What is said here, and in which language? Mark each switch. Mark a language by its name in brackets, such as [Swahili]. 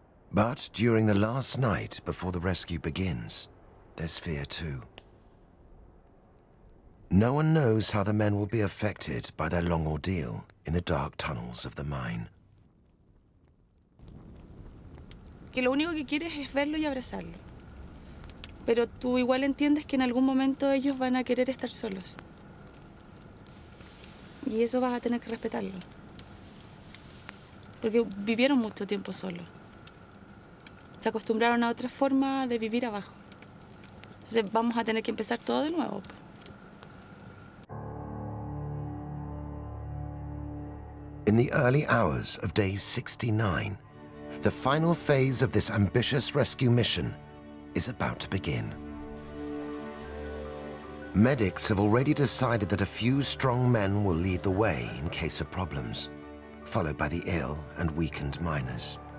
[English] But during the last night before the rescue begins, there's fear too. No one knows how the men will be affected by their long ordeal in the dark tunnels of the mine. [Spanish] Que lo único que quieres es verlo y abrazarlo. Pero tú igual entiendes que en algún momento ellos van a querer estar solos. Y eso vas a tener que respetarlo. Porque vivieron mucho tiempo solos. Se acostumbraron a otra forma de vivir abajo. Entonces vamos a tener que empezar todo de nuevo. [English] In the early hours of day 69, the final phase of this ambitious rescue mission is about to begin. Medics have already decided that a few strong men will lead the way in case of problems, followed by the ill and weakened miners.